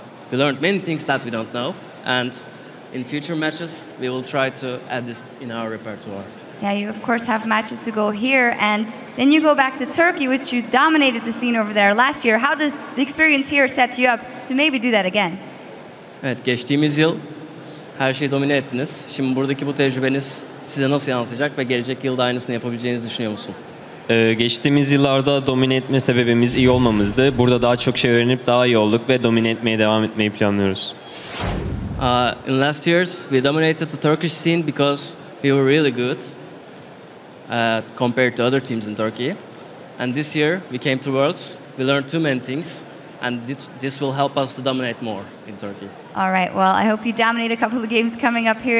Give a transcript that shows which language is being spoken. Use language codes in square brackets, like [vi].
[en] We learned many things that we don't know, and in future matches, we will try to add this in our repertoire. Yeah, you of course have matches to go here, and then you go back to Turkey, which you dominated the scene over there last year. How does the experience here set you up to maybe do that again? [tr] Evet, geçtiğimiz yıl her şeyi domine ettiniz. Şimdi buradaki bu tecrübeniz size nasıl yansıyacak ve gelecek yılda aynısını yapabileceğinizi düşünüyor musun? Geçtiğimiz yıllarda domine etme sebebimiz iyi olmamızdı. Burada daha çok şey öğrenip daha iyi olduk ve domine etmeye devam etmeyi planlıyoruz. [en] In last years we dominated the Turkish scene because we were really good compared to other teams in Turkey. And this year we came to Worlds, we learned too many things and this will help us to dominate more in Turkey. All right, well I hope you dominate a couple of games coming up here.